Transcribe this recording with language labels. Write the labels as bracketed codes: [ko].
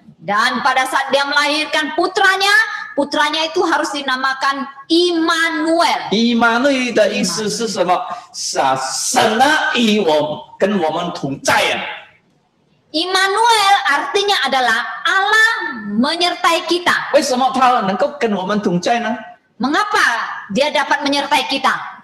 [id] Dan pada saat dia melahirkan putranya, putranya itu harus dinamakan Immanuel. [zh] Immanuel 的意思是什么?神啊，与我们同在啊。 [id] Immanuel artinya adalah Allah menyertai kita. [zh] 为什么他能够跟我们同在呢? [id] Mengapa dia dapat menyertai kita?